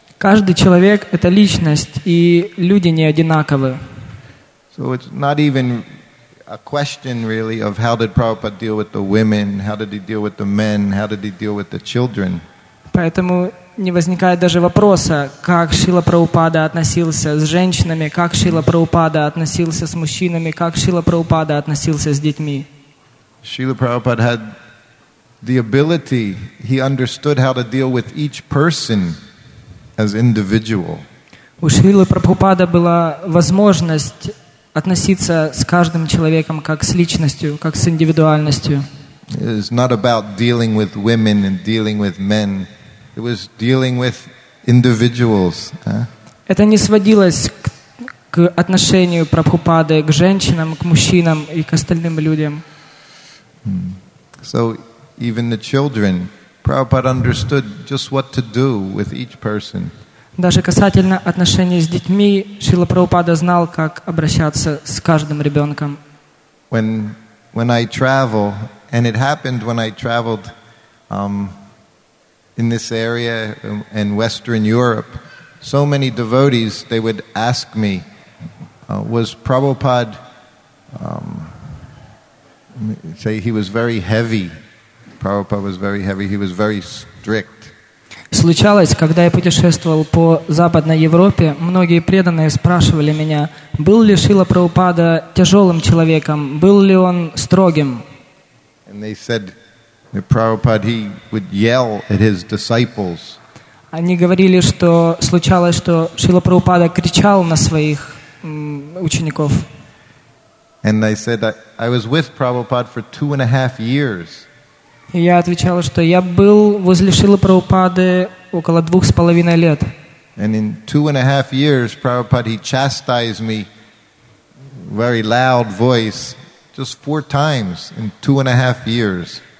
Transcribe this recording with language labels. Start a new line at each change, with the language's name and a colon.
Russian: Каждый человек — это личность, и люди не одинаковы.
English: So it's not even a question, really, of how did Prabhupada deal with the women, how did he deal with the men, how did he deal with the children.
Russian: Поэтому не возникает даже вопроса, как Шрила Прабхупада относился с женщинами, как Шрила Прабхупада относился с мужчинами, как Шрила Прабхупада относился с детьми.
English: Srila Prabhupada had the ability, he understood how to deal with each person as individual.
Russian: У Шрилы Прабхупады была возможность относиться с каждым человеком как с личностью, как с индивидуальностью.
English: It was not about dealing with women and dealing with men. It was dealing with individuals.
Russian: Это не сводилось к отношению Прабхупады к женщинам, к мужчинам и к остальным людям.
English: So even the children, Prabhupada understood just what to do with each person.
Russian: Даже касательно отношений с детьми, Шрила Прабхупада знал, как обращаться с каждым ребенком.
English: When I travel, and it happened when I traveled in this area in Western Europe, so many devotees, they would ask me, was Prabhupada... say he was very heavy. Prabhupada was very heavy. He was very strict.
Russian: Случалось, когда я путешествовал по Западной Европе, многие преданные спрашивали меня, был ли Шрила Прабхупада тяжелым человеком, был ли он строгим?
English: And they said that Prabhupada he would yell at his disciples.
Russian: Они говорили, что случалось, что Шрила Прабхупада кричал на своих учеников.
English: And I said that I was with Prabhupada for 2.5 years.
Russian: Я отвечал, что я был возле Шрилы Прабхупады около 2.5 лет.
English: And in 2.5 years, Prabhupada, he chastised me very loud voice just 4 times in 2.5 years.